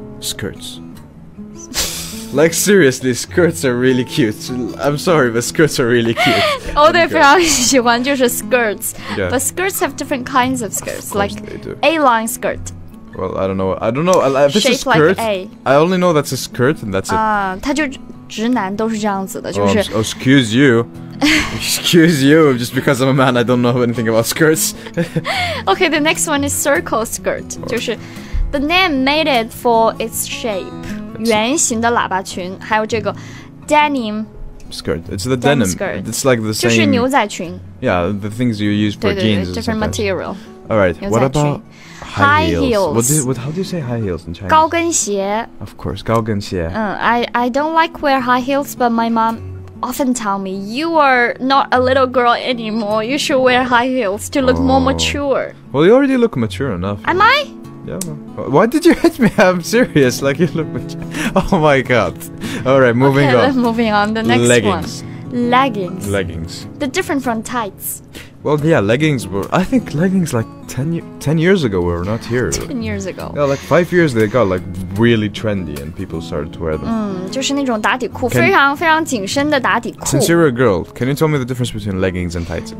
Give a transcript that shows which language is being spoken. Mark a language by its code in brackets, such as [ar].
[en] Skirts. Like, seriously, skirts are really cute. I'm sorry, but skirts are really cute. Oh, they [zh] 非常喜欢就是 [en] skirts. Yeah. But skirts have different kinds of skirts. Of like, A-line skirt. Well, I don't know. I don't know. If it's shaped a skirt, like A. I only know that's a skirt and that's it. [zh] 它就直男都是这样子的就是 [en] oh, excuse you. Excuse you. Just because I'm a man, I don't know anything about skirts. Okay, the next one is circle skirt. [zh] 就是 [en] the name made it for its shape. [zh] 圆形的喇叭裙，还有这个 denim [en] skirt. It's the denim skirt. It's like the same. [zh] 就是牛仔裙。 [en] Yeah, the things you use for [zh] 对对对 [en] jeans. Different material. All right. What about high heels? How do you say high heels in Chinese? [zh] 高跟鞋。 [en] Of course, 高跟鞋。 I don't like wear high heels, but my mom often tell me you are not a little girl anymore. You should wear high heels to look more mature. Well, you already look mature enough. Am I? Yeah, well, why did you hit me? I'm serious. Like, you look. Oh my god. Alright, moving okay, on. Moving on. The next leggings. One. Leggings. Leggings. They're different from tights. Well, yeah, leggings were. I think leggings, like, 10 years ago were not here. 10 years ago. Yeah, like, 5 years they got, like, really trendy and people started to wear them. [zh] 就是那种打底裤非常非常紧身的打底裤 [en] Since you're a girl, can you tell me the difference between leggings and tights?